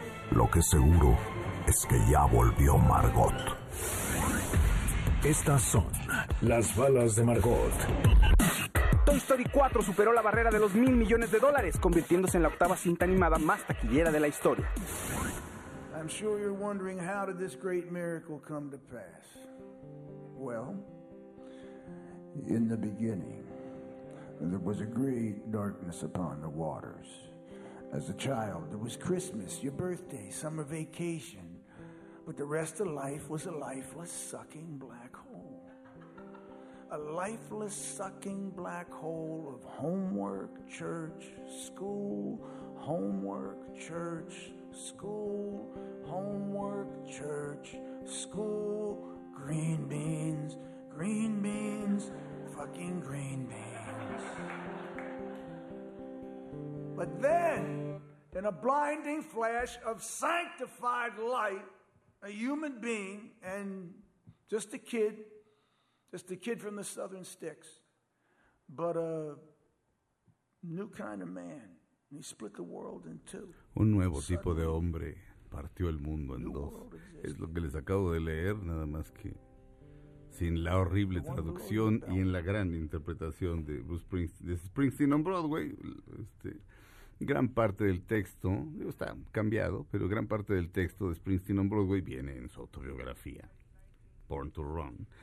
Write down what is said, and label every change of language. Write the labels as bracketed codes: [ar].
[es] Lo que seguro es que ya volvió Margot. Estas son las balas de Margot. Toy Story 4 superó la barrera de los $1,000 millones, convirtiéndose en la octava cinta animada más taquillera de la historia. [en] I'm sure you're wondering how did this great miracle come to pass. Well, in the beginning, there was a great darkness upon the waters. As a child, there was Christmas, your birthday, summer vacation, but the rest of life was a lifeless, sucking black hole. A lifeless, sucking black hole of homework, church, school, homework, church, school, homework, church, school, green beans, green beans. beans, fucking green beans. But then, in a blinding flash of sanctified light, a human being, and just a kid from the southern sticks, but a new kind of man. And he split the world in two. [es] Un nuevo tipo de hombre partió el mundo en dos. Es lo que les acabo de leer, nada más que sin la horrible traducción y en la gran interpretación de Bruce Springsteen, de Springsteen on Broadway. Gran parte del texto, digo, está cambiado, pero gran parte del texto de Springsteen on Broadway viene en su autobiografía, Born to Run.